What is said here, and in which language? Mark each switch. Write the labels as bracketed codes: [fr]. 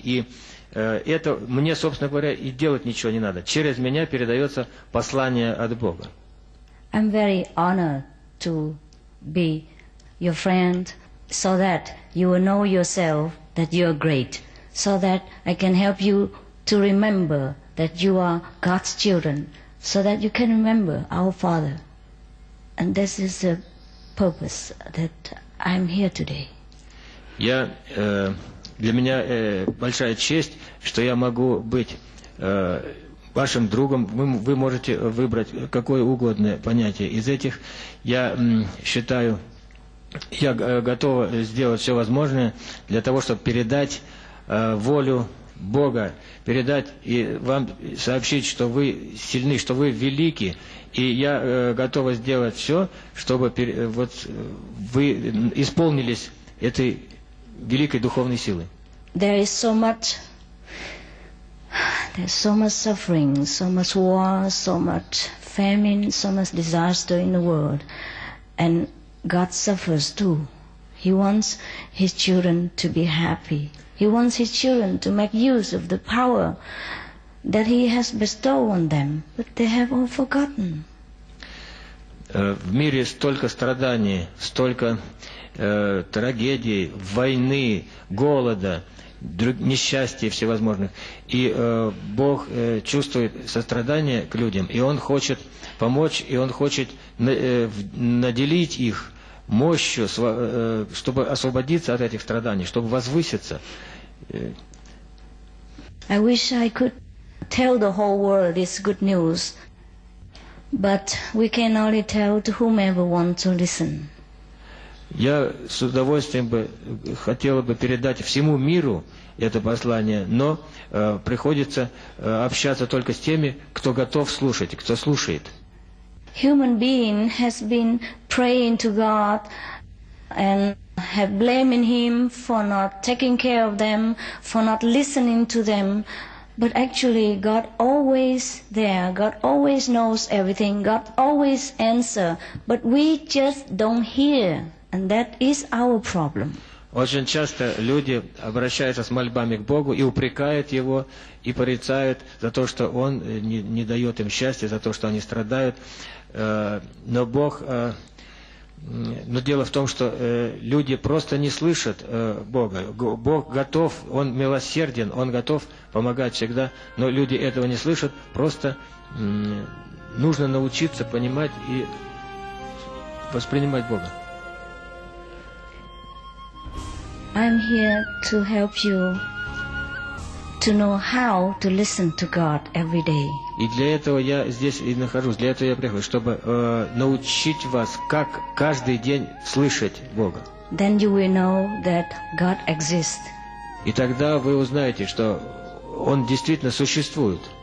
[ru] И это мне, собственно говоря, и делать ничего не надо. Через меня передается послание от Бога. [en] I'm very honored to be your friend, so that you will know yourself that you are great, so that I can help you to remember that you are God's children, so that you can remember our Father. And this is the purpose that I'm here today. [ru] Я, для меня большая честь, что я могу быть вашим другом. Вы можете выбрать какое угодно понятие из этих. Я считаю, я готов сделать все возможное для того, чтобы передать волю Бога, передать и вам сообщить, что вы сильны, что вы велики. И я готов сделать все, чтобы вот вы исполнились этой великой духовной силы. [en] There is so much. There's so much suffering, so much war, so much famine, so much disaster in the world. And God suffers too. He wants His children to be happy. He wants His children to make use of the power that He has bestowed on them, but they have all forgotten. [ru] В мире столько страданий, столько трагедий, войны, голода, несчастья всевозможных. И Бог чувствует сострадание к людям, и Он хочет помочь, и Он хочет наделить их мощью, чтобы освободиться от этих страданий, чтобы возвыситься. [en] I wish I could tell the whole world this good news, but we can only tell to whomever wants to listen. [ru] Я с удовольствием бы хотел бы передать всему миру это послание, но приходится общаться только с теми, кто готов слушать, кто слушает. [en] Human being has been praying to God and have blaming Him for not taking care of them, for not listening to them. But actually, God always there, God always knows everything, God always answers, but we just don't hear. And that is our problem. [ru] Очень часто люди обращаются с мольбами к Богу и упрекают Его, и порицают за то, что Он не дает им счастья, за то, что они страдают. Но Бог... Но дело в том, что люди просто не слышат Бога. Бог готов, Он милосерден, Он готов помогать всегда, но люди этого не слышат. Просто нужно научиться понимать и воспринимать Бога. [en] I'm here to help you to know how to listen to God every day. [ru] И для этого я здесь и нахожусь, для этого я приехал, чтобы научить вас, как каждый день слышать Бога. [en] Then you will know that God exists. [ru] И тогда вы узнаете, что Он действительно существует.